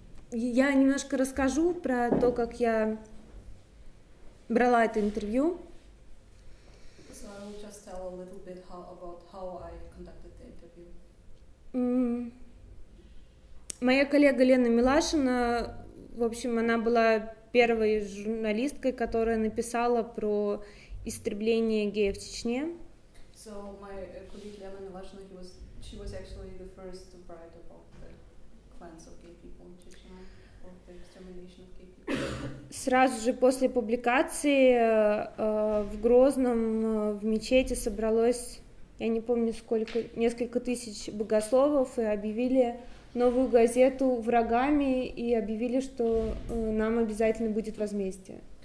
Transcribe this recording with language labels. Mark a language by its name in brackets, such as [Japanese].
[Russian] Я немножко расскажу про то, как я брала это интервью. [English] So I will just tell a little bit how, about how I conducted the interview. [Russian] Моя коллега Лена Милашина, в общем, она была первой журналисткой, которая написала про истребление геев в Чечне. [English] So my colleague Lena Milashina, she was actually the first to write about the cleanse of gay people in Chechnya, or the extermination of gay people. [Russian] Сразу же после публикации в Грозном в мечети собралось, я не помню сколько, несколько тысяч богословов и объявили новую газету врагами и объявили, что нам обязательно будет возмездие.